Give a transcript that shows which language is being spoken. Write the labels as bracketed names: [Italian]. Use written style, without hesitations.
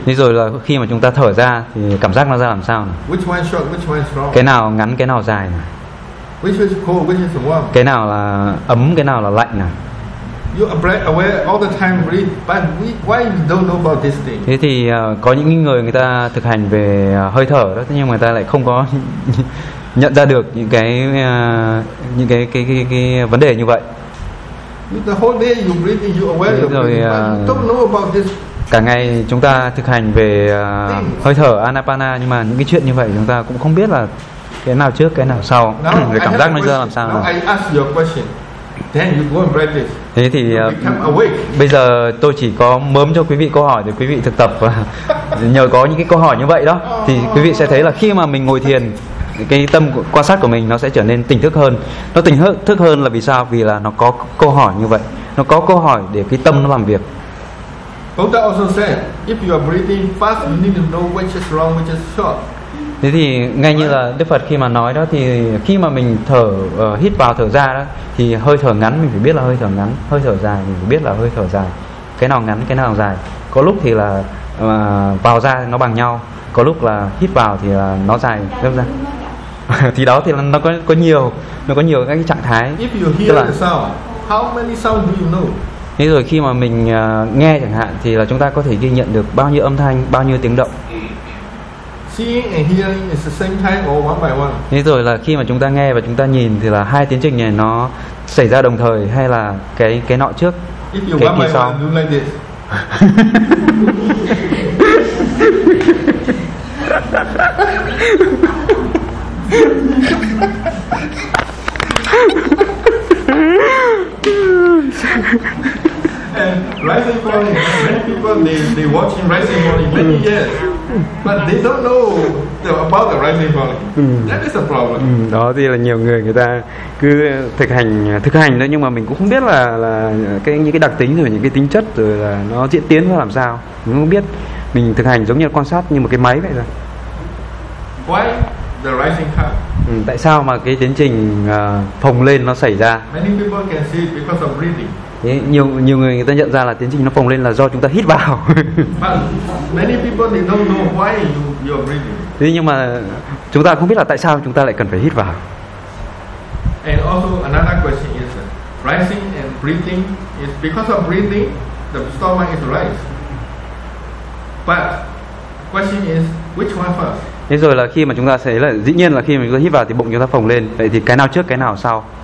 [Vietnamese] Thế rồi là khi mà chúng ta thở ra thì cảm giác nó ra làm sao nè? [English] Which one short, which one strong? [Vietnamese] Cái nào ngắn, cái nào dài nè? [English] Which is cold, which is warm? [Vietnamese] Cái nào là ấm, cái nào là lạnh nào? [English] You are aware all the time, breathe, but why you don't know about this thing? [Vietnamese] Thế thì có những người ta thực hành về hơi thở đó, nhưng mà người ta lại không có nhận ra được những cái vấn đề như vậy. [English] The whole day you breathing, you aware of breathing, but you don't know about this. [Vietnamese] Cả ngày chúng ta thực hành về hơi thở anapana, nhưng mà những cái chuyện như vậy chúng ta cũng không biết là cái nào trước, cái nào sau, cái cảm giác nó ra làm sao. [English] I ask your question, then you go and practice. [Vietnamese] Thế thì bây giờ tôi chỉ có mớm cho quý vị câu hỏi để quý vị thực tập, và nhờ có những cái câu hỏi như vậy đó thì quý vị sẽ thấy là khi mà mình ngồi thiền, cái tâm quan sát của mình nó sẽ trở nên tỉnh thức hơn. Nó tỉnh thức hơn là vì sao? Vì là nó có câu hỏi như vậy, nó có câu hỏi để cái tâm nó làm việc. [English] Buddha also said, if you are breathing fast, you need to know which is long, which is short. [Vietnamese] Thế thì ngay như là Đức Phật khi mà nói đó, thì khi mà mình thở hít vào thở ra đó, thì hơi thở ngắn mình phải biết là hơi thở ngắn, hơi thở dài mình phải biết là hơi thở dài, cái nào ngắn cái nào dài. Có lúc thì là vào ra nó bằng nhau, có lúc là hít vào thì là nó dài gấp ra. Thì đó thì nó có nhiều các cái trạng thái. [English] If you hear the sound, how many sound do you know? [Vietnamese] Thế rồi khi mà mình nghe chẳng hạn, thì là chúng ta có thể ghi nhận được bao nhiêu âm thanh, bao nhiêu tiếng động. [English] Seeing and hearing is the same time or one by one? [Vietnamese] Thế rồi là khi mà chúng ta nghe và chúng ta nhìn thì là hai tiến trình này nó xảy ra đồng thời hay là cái nọ trước? [English] If you one by one, do like this. Rising morning, many people they watching rising morning many years, but they don't know about the rising morning. That is a problem. [Vietnamese] Đó thì là nhiều người ta cứ thực hành thôi, nhưng mà mình cũng không biết là cái những cái đặc tính rồi những cái tính chất rồi là nó diễn tiến ra làm sao. Mình không biết, mình thực hành giống như quan sát như một cái máy vậy thôi. [English] Why the rising time? [Vietnamese] Tại sao mà cái tiến trình phồng lên nó xảy ra? [English] Many people can see it because of breathing. [Vietnamese] Nhiều người ta nhận ra là tiến trình nó phồng lên là do chúng ta hít vào. [English] Many people they don't know why you're breathing. [Vietnamese] Thế nhưng mà chúng ta không biết là tại sao chúng ta lại cần phải hít vào. [English] And also another question is, rising and breathing, is because of breathing, the stomach is rise. But question is, which one first? [Vietnamese] Thế rồi là khi mà chúng ta sẽ là dĩ nhiên là khi mà chúng ta hít vào thì bụng chúng ta phồng lên. Vậy thì cái nào trước, cái nào sau?